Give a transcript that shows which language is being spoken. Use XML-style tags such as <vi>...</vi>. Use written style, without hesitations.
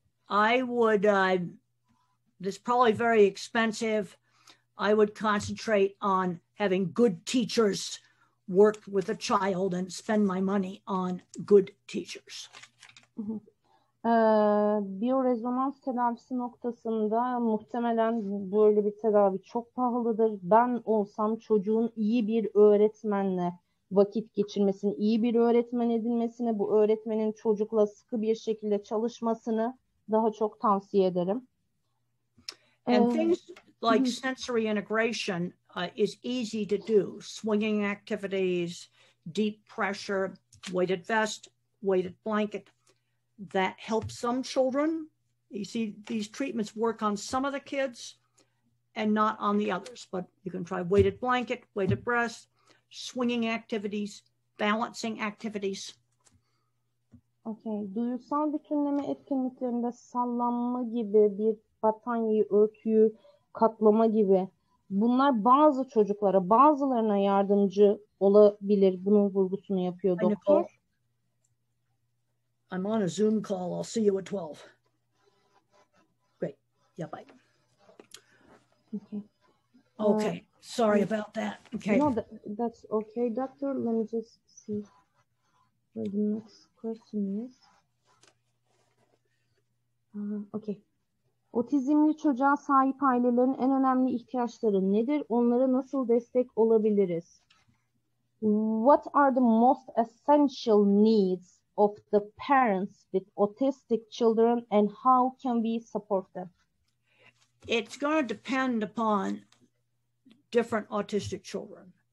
<en>I would, this is probably very expensive. I would concentrate on having good teachers work with a child and spend my money on good teachers.</en> <tr>Biyorezonans tedavisi noktasında muhtemelen böyle bir tedavi çok pahalıdır. Ben olsam çocuğun iyi bir öğretmenle vakit geçirmesini, iyi bir öğretmen edinmesini, bu öğretmenin çocukla sıkı bir şekilde çalışmasını daha çok tavsiye ederim.</tr> <en>And things like sensory integration is easy to do. Swinging activities, deep pressure, weighted vest, weighted blanket. That helps some children. You see, these treatments work on some of the kids and not on the others. But you can try weighted blanket, weighted breast, swinging activities, balancing activities. Okay.</en> <tr>Duyusal bütünleme etkinliklerinde sallanma gibi, bir battaniyeyi, örtüyü katlama gibi. Bunlar bazı çocuklara, bazılarına yardımcı olabilir. Bunun vurgusunu yapıyor doktor.</tr> <en>I'm on a Zoom call. I'll see you at 12. Great. Yeah, bye. Okay. Sorry about that. Okay. No, that's okay, doctor. Let me just see where the next question is. Okay.</en> <tr>Otizmli çocuğa sahip ailelerin en önemli ihtiyaçları nedir? Onlara nasıl destek olabiliriz?</tr> <en>What are the most essential needs of the parents with autistic children and how can we support them? It's going to depend upon different autistic children.</en>